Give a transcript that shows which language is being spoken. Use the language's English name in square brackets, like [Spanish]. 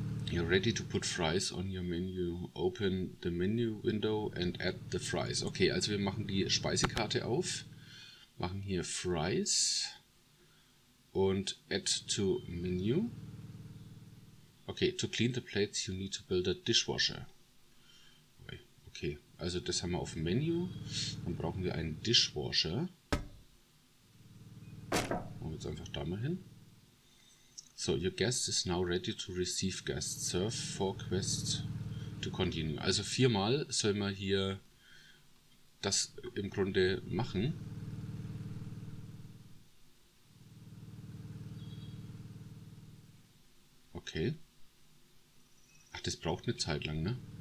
[English] You're ready to put fries on your menu. Open the menu window and add the fries. [German] Okay, also wir machen die Speisekarte auf. Machen hier fries. [English] Und add to menu. Okay, to clean the plates, you need to build a dishwasher. [German] Okay, also das haben wir auf dem Menü. Dann brauchen wir einen Dishwasher. Wir jetzt einfach da mal hin. [English] So, your guest is now ready to receive guests. Serve four quests to continue. [German] Also viermal soll man hier das im Grunde machen. Okay. Ach, das braucht eine Zeit lang, ne?